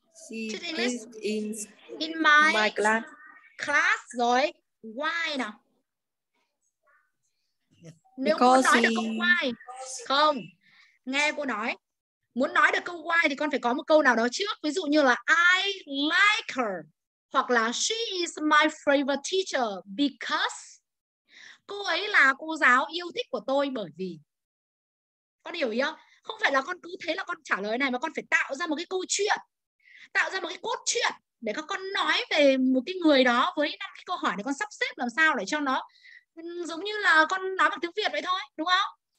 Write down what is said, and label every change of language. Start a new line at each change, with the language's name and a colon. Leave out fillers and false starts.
English: She is in my class.
Vietnamese: Class rồi. Why nào? Nếu con nói được câu why. Không. Nghe cô nói. Muốn nói được câu why thì con phải có một câu nào đó trước. Ví dụ như là
English: I like her.
Vietnamese: Hoặc là
English: she is my favorite teacher because.
Vietnamese: Cô ấy là cô giáo yêu thích của tôi bởi vì. Con hiểu ý không? Không phải là con cứ thế là con trả lời này mà con phải tạo ra một cái câu chuyện. Tạo ra một cái cốt truyện. để các con nói về một cái người đó với năm cái câu hỏi để con sắp xếp làm sao để cho nó giống như là con nói bằng tiếng Việt vậy thôi, đúng không?